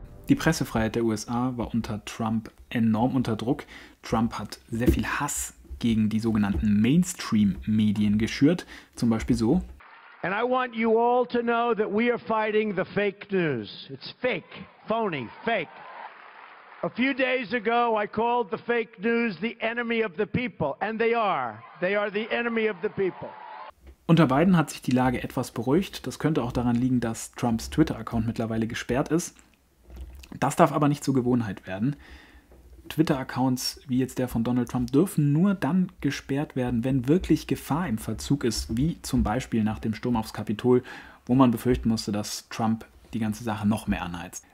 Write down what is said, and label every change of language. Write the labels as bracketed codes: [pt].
[de] Die Pressefreiheit der USA war unter Trump enorm unter Druck. Trump hat sehr viel Hass gegen die sogenannten Mainstream-Medien geschürt, zum Beispiel so. [en] And I want you all to know that we are fighting the fake news. It's fake, phony, fake. A few days ago I called the fake news the enemy of the people. And they are. They are the enemy of the people. [de] Unter Biden hat sich die Lage etwas beruhigt. Das könnte auch daran liegen, dass Trumps Twitter-Account mittlerweile gesperrt ist. Das darf aber nicht zur Gewohnheit werden. Twitter-Accounts wie jetzt der von Donald Trump dürfen nur dann gesperrt werden, wenn wirklich Gefahr im Verzug ist, wie zum Beispiel nach dem Sturm aufs Kapitol, wo man befürchten musste, dass Trump die ganze Sache noch mehr anheizt.